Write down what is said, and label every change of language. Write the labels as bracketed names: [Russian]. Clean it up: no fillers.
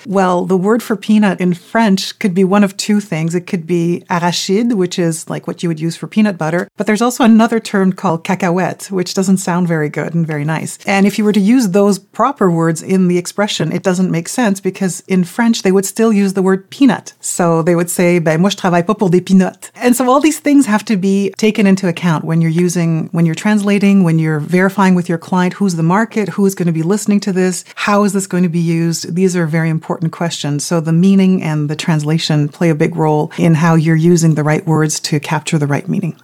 [English] Well, the word for peanut in French could be one of two things. It could be arachide, which is like what you would use for peanut butter. But there's also another term called cacahuète, which doesn't sound very good and very nice. And if you were to use those proper words in the expression, it doesn't make sense because in French, they would still use the word peanut. So they would say, [French] ben moi je travaille pas pour des peanuts. [English] And so all these things have to be taken into account when you're translating, when you're verifying with your client, who's the market, who's going to be listening to this, how is this going to be used? These are very important questions. So the meaning and the translation play a big role in how you're using the right words to capture the right meaning.